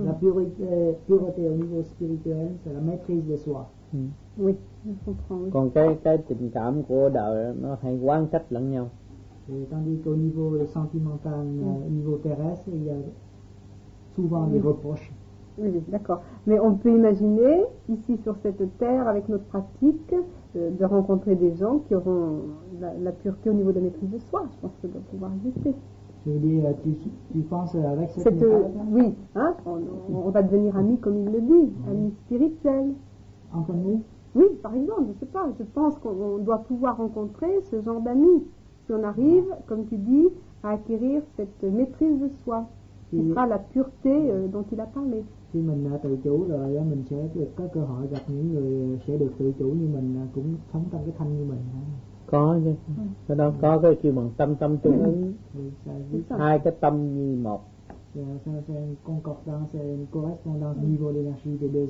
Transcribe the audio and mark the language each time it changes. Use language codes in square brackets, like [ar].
[fr] La pureté au niveau spirituel c'est la maîtrise de soi. Oui, je comprends. [vi] Còn cái tình cảm của đời nó hay quán trách lẫn nhau. [fr] Tandis qu'au niveau sentimental, niveau terrestre, il y a souvent des reproches. Oui, d'accord. Mais on peut imaginer, ici sur cette terre, avec notre pratique, de rencontrer des gens qui auront la pureté au niveau de la maîtrise de soi. Je pense que ça doit pouvoir exister. Tu veux dire, tu penses avec cette Oui, hein, on va devenir amis, comme il le dit, amis spirituels. En famille? Oui, par exemple, je ne sais pas. Je pense qu'on doit pouvoir rencontrer ce genre d'amis. Si on arrive, comme tu dis, à acquérir cette maîtrise de soi, qui sera la pureté dont il a parlé. [vi] Khi mình tự chủ rồi mình sẽ được có cơ hội gặp những người sẽ được tự chủ như mình cũng sống trong cái thanh như mình. Có chứ. Cái đó có cái kêu bằng tâm tâm tương ứng. Hai cái tâm như một. [fr] C'est une concordance, une correspondance au niveau d'énergie des deux